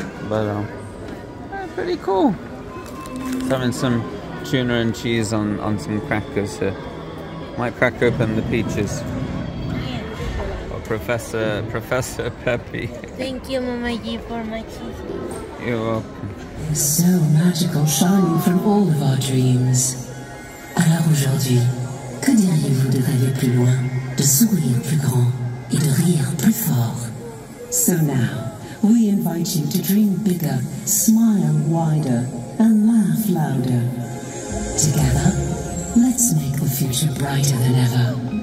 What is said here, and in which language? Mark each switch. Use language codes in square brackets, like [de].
[en] But, yeah, pretty cool. It's having some tuna and cheese on some crackers here. Might crack open the peaches. Professor Peppy. Thank you, Mama G, for my cheese. You're welcome. So magical, shining from all of our dreams. [fr] Alors aujourd'hui, que diriez-vous de rêver plus loin, de sourire plus grand, et de rire plus fort? [en] So now, we invite you to dream bigger, smile wider, and laugh louder. Together, let's make the future brighter than ever.